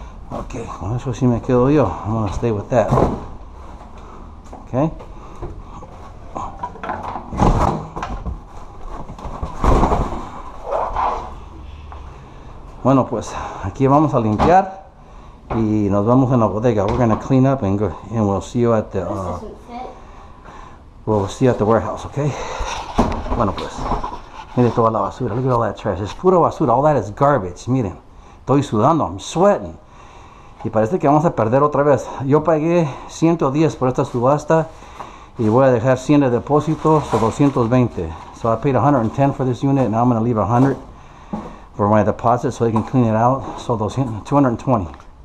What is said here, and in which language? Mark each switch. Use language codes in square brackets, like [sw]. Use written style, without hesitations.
[es] Ok, con eso sí me quedo yo. [en] I'm gonna stay with that. [es] Okay. Bueno, pues aquí vamos a limpiar y nos vamos en la bodega. [en] We're going to clean up and go, and we'll see you at the warehouse, okay? [es] Bueno, pues. Mire toda la basura. [en] Look at all that trash. [es] Es pura basura. [en] All that is garbage. [es] Miren. Estoy sudando. [en] I'm sweating. [es] Y parece que vamos a perder otra vez. Yo pagué 110 por esta subasta y voy a dejar 100 de depósito, so 220. [en] So I paid 110 for this unit, now I'm going to leave 100 for my deposit so they can clean it out, so 220.